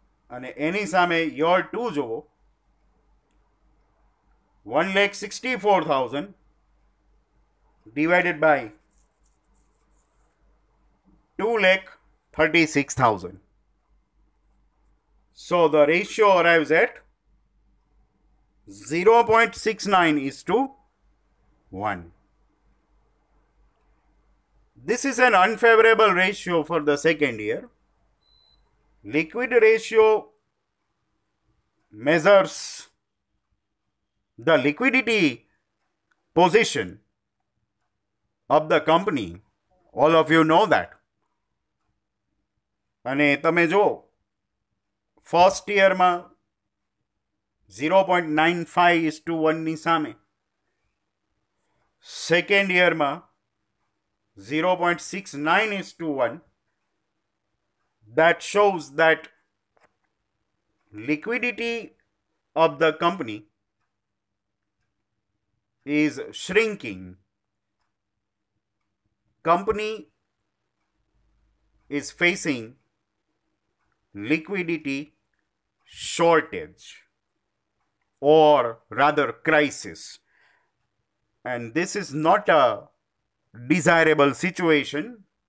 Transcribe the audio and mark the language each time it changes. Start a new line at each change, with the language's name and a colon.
Gujarati: અને એની સામે year two જુઓ 1,64,000 divided by 2,36,000.
English: So the ratio arrives at 0.69:1. This is an unfavourable ratio for the second year. Liquid ratio measures the liquidity position of the company, all of you know that.
Gujarati: અને તમે જો first યરમાં 0.95:1 ની સામે second યરમાં 0.69:1,
English: that shows that liquidity of the company is shrinking. Company is facing liquidity shortage, or rather crisis, and this is not a desirable situation.